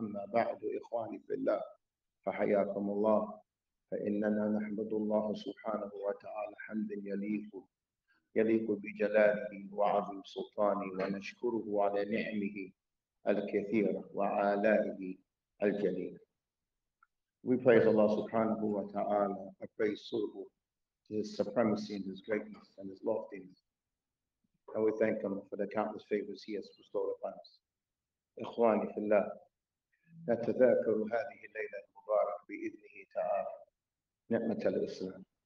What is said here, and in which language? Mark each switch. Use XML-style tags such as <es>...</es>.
<ar>أما بعد، إخواني في الله، فحياكم الله. فإننا نحمد الله سبحانه وتعالى حمدا يليق بجلاله وعظيم سلطانه، ونشكره على نعمه الكثيرة وعلائه الجليل.</ar> <en>We praise Allah subhanahu wa ta'ala, I praise Suruhu, to His supremacy and His greatness and His loftiness. And we thank Him for the countless favors He has bestowed upon us.</en> <ar>إخواني في الله، نتذاكر هذه الليلة المباركة بإذنه تعالى نعمة الإسلام.</ar>